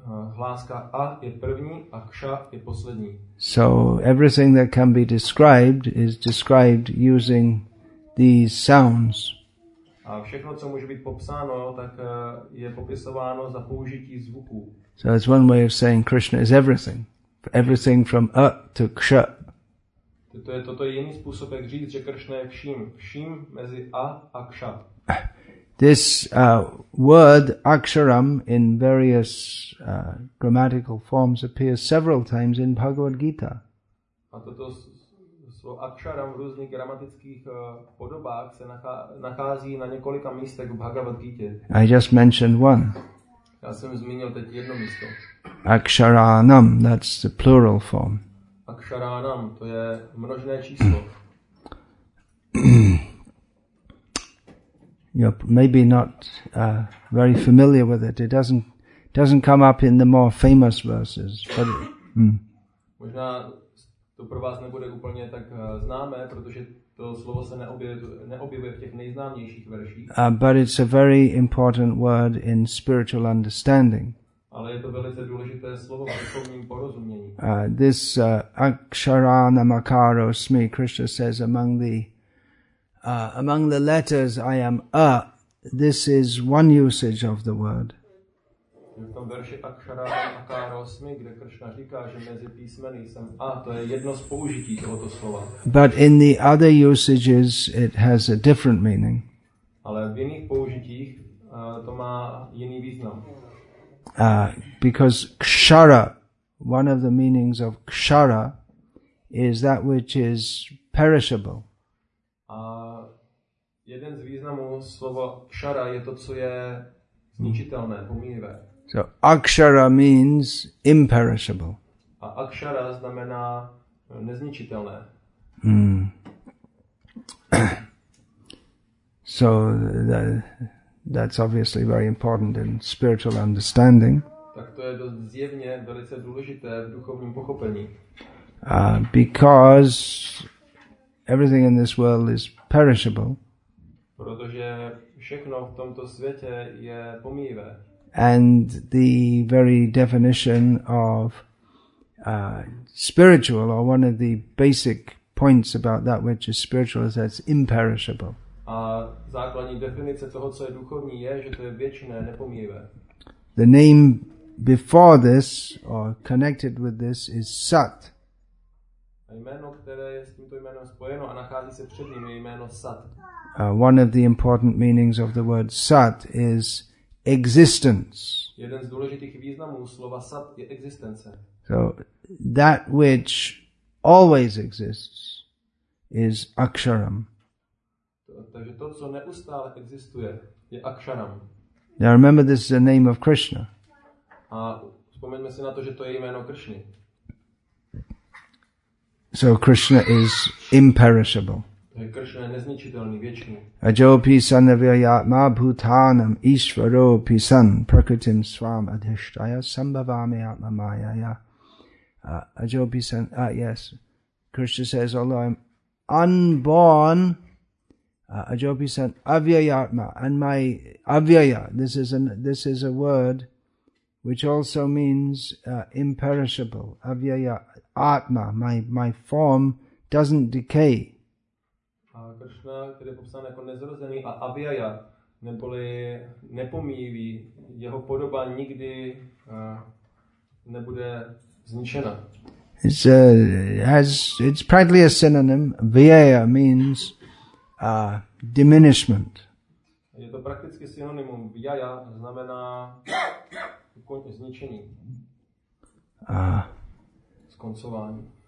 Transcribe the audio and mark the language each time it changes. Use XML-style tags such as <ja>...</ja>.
<cs>Hláska A je první a ksha je poslední.</cs> <en>So everything that can be described is described using these sounds.</en> <cs>A všechno, co může být popsáno, tak je popisováno za použití zvuku.</cs> <en>So it's one way of saying Krishna is everything. Everything from A to ksha.</en> <cs>To je toto jiný způsob, jak říct, že Krishna je vším. Vším mezi A a ksha.</cs> <en>This word aksharam in various grammatical forms appears several times in Bhagavad Gita.</en> <cs>A toto slovo aksharam v různých gramatických podobách se nachází na několika místech v Bhagavad Gita.</cs> <en>I just mentioned one.</en> <cs>Já jsem zmínil teď jedno místo.</cs> <en>Aksharanam, that's the plural form.</en> <cs>Aksharanam, to je množné číslo.</cs> <en>You're maybe not very familiar with it. It doesn't come up in the more famous verses. But</en> <cs>Možná to pro vás nebude úplně tak známé, protože to slovo se neobjevuje v těch nejznámějších verších.</cs> <en>But it's a very important word in spiritual understanding.</en> <cs>Ale je to velice důležité slovo v duchovním porozumění.</cs> <en>This</en> <sa>aksharanam akarosmi,</sa> <en>Krishna says, among the letters I am A. This is one usage of the word.</en> <cs>V tom verši</cs> <sa>aksharanam akarosmi,</sa> <cs>kde Krishna říká, že mezi písmeny jsem A, to je jedno z použití tohoto slova.</cs> <en>But in the other usages it has a different meaning.</en> <cs>Ale v jiných použitích to má jiný význam.</cs> <en>Because kshara, one of the meanings of kshara is that which is perishable.</en> <cs>A jeden z významů slova kshara je to, co je zničitelné, pomývé.</cs> <en>So akshara means imperishable.</en> <cs>A akshara znamená nezničitelné.</cs> <en>So that's obviously very important in spiritual understanding.</en> <cs>Tak to je dost zjevně velice důležité v duchovním pochopení.</cs> <en>Because everything in this world is perishable.</en> <cs>Protože všechno v tomto světě je pomíjivé.</cs> <en>And the very definition of spiritual, or one of the basic points about that which is spiritual, is that it's imperishable.</en> <cs>A základní definice toho, co je duchovní, je, že to je věčné, nepomíjivé.</cs> <en>The name before this, or connected with this, is Sat.</en> <cs>A jméno, které je s tímto jménem spojeno a nachází se před ním, je jméno Sat.</cs> <en>One of the important meanings of the word Sat is existence.</en> <cs>Jeden z důležitých významů slova Sat je existence.</cs> <en>So that which always exists is Aksharam.</en> <cs>Takže to, co neustále existuje, je Aksharam.</cs> <en>Now remember, this is the name of Krishna.</en> <cs>A vzpomeňme si na to, že to je jméno Krishny.</cs> <en>So Krishna is imperishable.</en> <cs>Takže Krishna je nezničitelný, věčný.</cs> <sa>Ajopi sanavyatma bhutanam ishvaro pisan prakritim svam adhishtaya sambhavami atma mayaya. Ajopi san, yes.</sa> <en>Krishna says, although I'm unborn,</en> <sa>Ajopi san avyayatma,</sa> <en>and my avyaya, this is a word which also means imperishable,</en> <sa>avyaya atma,</sa> <en>my form doesn't decay.</en> <cs>Krishna, který je popsán jako nezrozený, a avyaya, neboli nepomíjivý, jeho podoba nikdy nebude zničena.</cs> <en>It's practically a synonym. Avyaya means diminishment.</en> <cs>Je to prakticky synonymum. Vyaya znamená zničení. Skoncování.</cs>